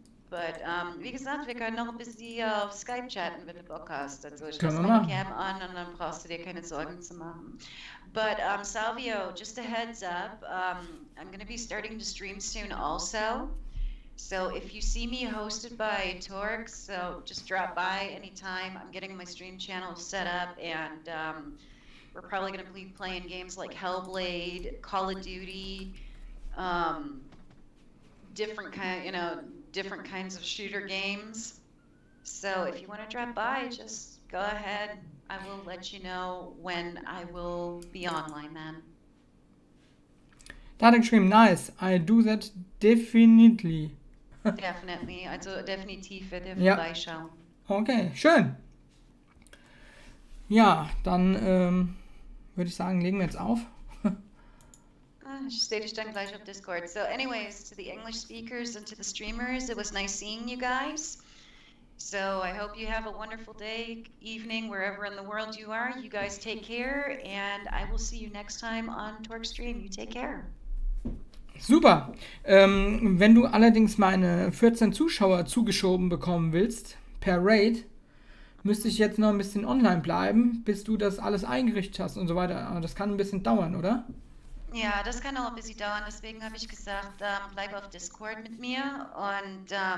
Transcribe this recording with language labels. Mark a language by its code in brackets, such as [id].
[en] But, [de] wie gesagt, wir können noch ein bisschen auf Skype chatten, wenn du Bock hast. Also ich lasse meine Cam an und dann brauchst du dir keine Sorgen zu machen. [en] But Salvio, just a heads up, I'm going to be starting to stream soon also. So if you see me hosted by Torx, so just drop by anytime. I'm getting my stream channel set up and... we're probably going to be playing games like Hellblade, Call of Duty, different kinds of shooter games. So if you want to drop by, just go ahead. I will let you know when I will be online then. That extreme nice. I do that definitely. Definitely. [de] Also definitiv für den Beischau. Okay, schön. Ja, dann würde ich sagen, legen wir jetzt auf. Ich sehe dich dann gleich auf Discord. [en] So, anyways, to the English speakers and to the streamers, it was nice seeing you guys. So, I hope you have a wonderful day, evening, wherever in the world you are. You guys take care and I will see you next time on Torque Stream. You take care. [de] Super. Wenn du allerdings meine 14 Zuschauer zugeschoben bekommen willst, per Raid, müsste ich jetzt noch ein bisschen online bleiben, bis du das alles eingerichtet hast und so weiter. Aber das kann ein bisschen dauern, oder? Ja, das kann auch ein bisschen dauern. Deswegen habe ich gesagt, bleib auf Discord mit mir und